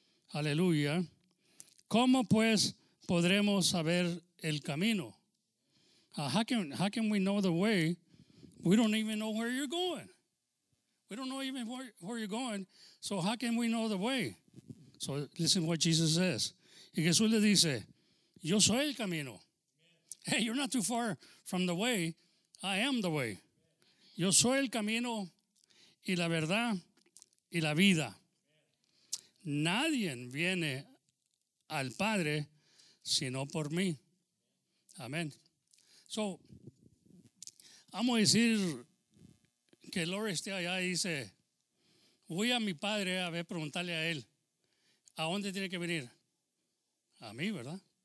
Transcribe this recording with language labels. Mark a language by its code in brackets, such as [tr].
[es] Aleluya. ¿Cómo pues podremos saber el camino? [en] How can we know the way? We don't even know where you're going. We don't know even where you're going. So how can we know the way? So listen what Jesus says. [es] Y Jesús le dice, yo soy el camino. [en] Hey, you're not too far from the way. I am the way. [es] Yo soy el camino y la verdad y la vida. Nadie viene al Padre, sino por mí. Amén. So, vamos a decir que el Lord esté allá y dice, voy a mi Padre a ver, preguntarle a él, ¿a dónde tiene que venir? A mí, ¿verdad?